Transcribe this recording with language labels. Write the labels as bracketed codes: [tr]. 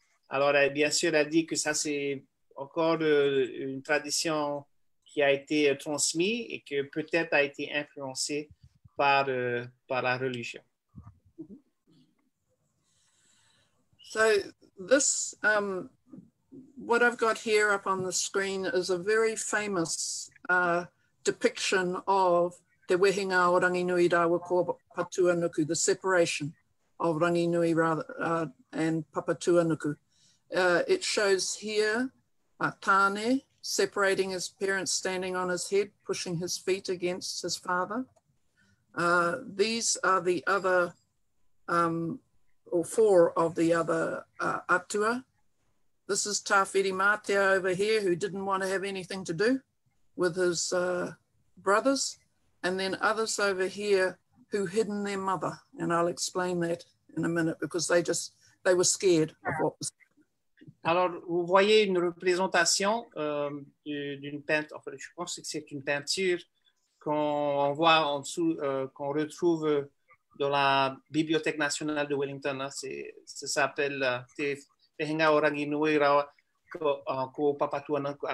[fr] Alors, elle, bien sûr, elle dit que ça, c'est encore une tradition qui a été transmise et que peut-être a été influencée par la religion. [en] So, this, what I've got here up on the screen is a very famous depiction of Te Wehinga o Ranginui Rawa ko Papatuanuku, the separation of Ranginui and Papatuanuku. It shows here Tane separating his parents, standing on his head, pushing his feet against his father. These are the other, or four of the other Atua. This is Tawhiri Matea over here, who didn't want to have anything to do with his brothers, and then others over here who hidden their mother, and I'll explain that in a minute because they were scared of what was. [fr] Alors, vous voyez une représentation d'une peinture. Je pense que c'est une peinture qu'on voit en dessous, qu'on retrouve dans la Bibliothèque nationale de Wellington. Hein. Ça s'appelle Te Wehinga o Ranginui Rawa ko Papatuanuku.